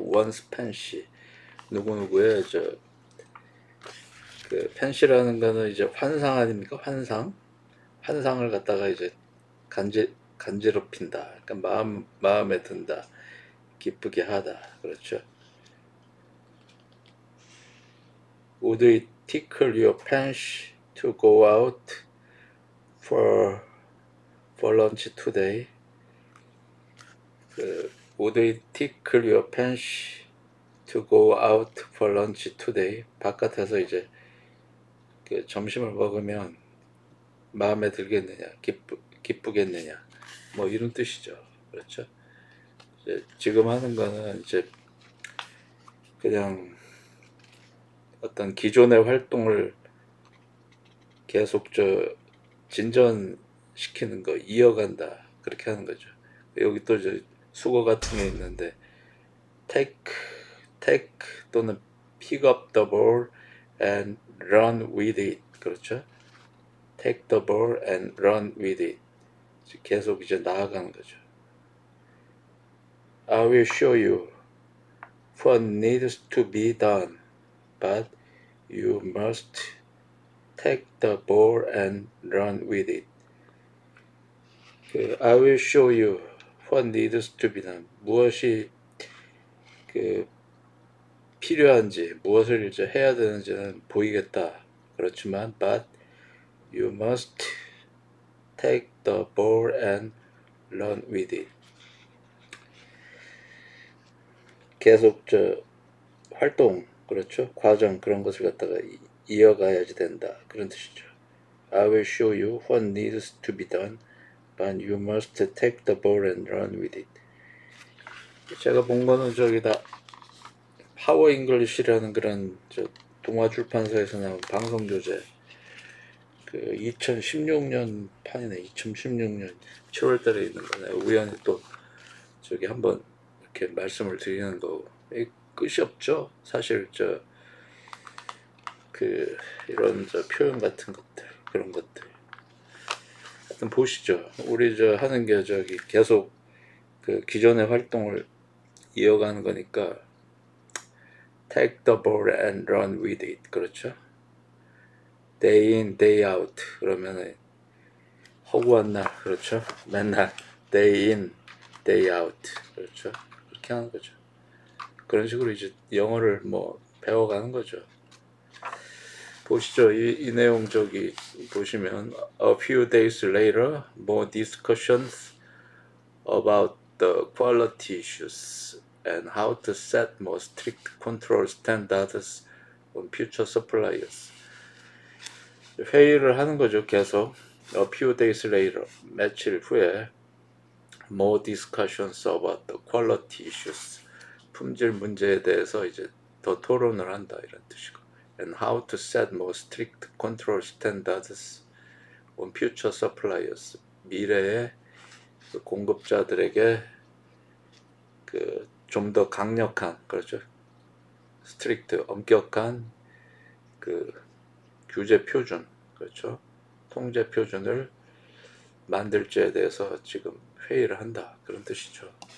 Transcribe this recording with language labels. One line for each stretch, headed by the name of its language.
English: One's fancy,
Korean: 누구누구의 펜시라는 거는 이제 환상 아닙니까? 환상, 환상을 갖다가 이제 간지럽힌다. 그러니까 마음에 든다, 기쁘게 하다, 그렇죠?
English: Would it tickle your fancy to go out for lunch today? Would it tickle your fancy to go out for lunch today?
Korean: 바깥에서 이제 점심을 먹으면 마음에 들겠느냐, 기쁘겠느냐, 뭐 이런 뜻이죠. 그렇죠? 지금 하는 거는 그냥 어떤 기존의 활동을 계속 진전시키는 거, 이어간다, 그렇게 하는 거죠. 여기 또 수거 같은 게 있는데, take 또는
English: pick up the ball and run with it.
Korean: 그렇죠?
English: Take the ball and run with it.
Korean: 계속 나아가는 거죠.
English: I will show you what needs to be done, but you must take the ball and run with it. I will show you what needs to be done.
Korean: 무엇이 필요한지, 무엇을 해야 되는지는 보이겠다. 그렇지만,
English: but you must take the ball and run with it.
Korean: 계속 활동, 그렇죠? 과정, 그런 것을 갖다가 이어가야지 된다, 그런 뜻이죠.
English: I will show you what needs to be done, but you must take the ball and run with it.
Korean: 제가 본 거는 저기다 파워 잉글리시라는 그런 동화 출판사에서 나온 방송 교재, 2016년 판이네. 2016년 7월 달에 있는 거네. 우연히 또 저기 한번 이렇게 말씀을 드리는 거, 끝이 없죠. 사실 이런 표현 같은 것들, 그런 것들 하여튼 보시죠. 우리 하는 게 저기 계속 기존의 활동을 이어가는 거니까
English: Take the ball and run with it.
Korean: 그렇죠?
English: Day in, day out.
Korean: 그러면은 허구한 날, 그렇죠? 맨날
English: day in, day out.
Korean: 그렇죠? 그렇게 하는 거죠. 그런 식으로 영어를 배워가는 거죠. 보시죠. 이 내용 저기 보시면,
English: A few days later, more discussions about the quality issues and how to set more strict control standards on future suppliers.
Korean: 회의를 하는 거죠, 계속.
English: A few days later,
Korean: 며칠 후에,
English: more discussions about the quality issues.
Korean: 품질 문제에 대해서 더 토론을 한다, 이런 뜻이고.
English: And how to set more strict control standards on future suppliers.
Korean: 미래의 공급자들에게 좀더 강력한, 그렇죠? 스트릭트, 엄격한 규제 표준, 그렇죠? 통제 표준을 만들지에 대해서 지금 회의를 한다, 그런 뜻이죠.